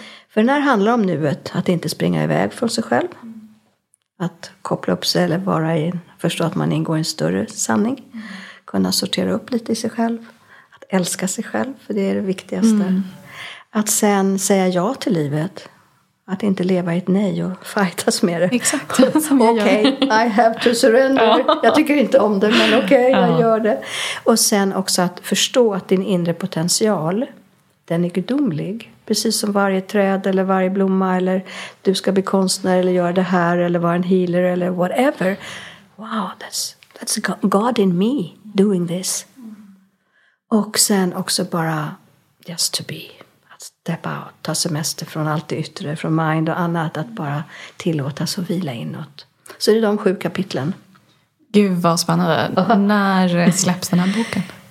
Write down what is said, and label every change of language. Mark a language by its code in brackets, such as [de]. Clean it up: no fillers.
[sv] För den här handlar om nuet, att inte springa iväg från sig själv. Att koppla upp sig eller vara i, förstå att man ingår i en större sanning. Kunna sortera upp lite i sig själv. Att älska sig själv, för det är det viktigaste. Mm. Att sen säga ja till livet. Att inte leva i ett nej och fightas med det. Exakt. Okej, [en] okay, I have to surrender. [sv] Jag tycker inte om det, men okej, [en] okay, [sv] jag gör det. Och sen också att förstå att din inre potential, den är gudomlig. Precis som varje träd eller varje blomma eller du ska bli konstnär eller göra det här eller vara en healer eller [en] whatever. Wow, that's God in me doing this. [sv] Och sen också bara [en] just to be. [sv] Att [en] step out, [sv] ta semester från allt det yttre, från [en] mind [sv] och annat. Att bara tillåta sig att vila inåt. Så det är de sju kapitlen. Gud vad spännande. När släpps den här boken?